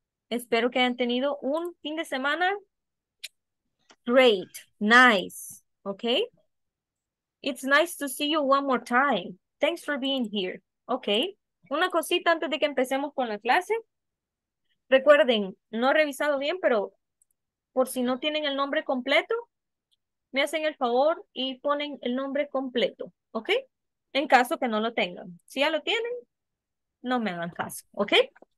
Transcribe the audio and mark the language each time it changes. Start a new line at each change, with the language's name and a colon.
Spanish: Espero que hayan tenido un fin de semana.
English: Great, nice. Okay. It's nice to see you one more time. Thanks for being here. Okay.
Spanish: Una cosita antes de que empecemos con la clase. Recuerden, no he revisado bien, pero por si no tienen el nombre completo, me hacen el favor y ponen el nombre completo. Okay. En caso que no lo tengan. Si ya lo tienen, no me hagan caso. Okay.